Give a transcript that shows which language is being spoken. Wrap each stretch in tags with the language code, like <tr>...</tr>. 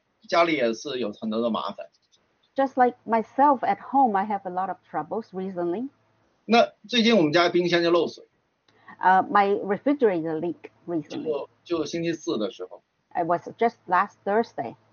<zh>就像最近我家里也是有很多的麻烦,</zh> <en>just like myself at home, I have a lot of troubles recently.</en> <zh>那最近我们家冰箱就漏水,</zh> <en>my refrigerator leak recently.</en> <zh>就星期四的时候,</zh> <en>it was just last Thursday.</en>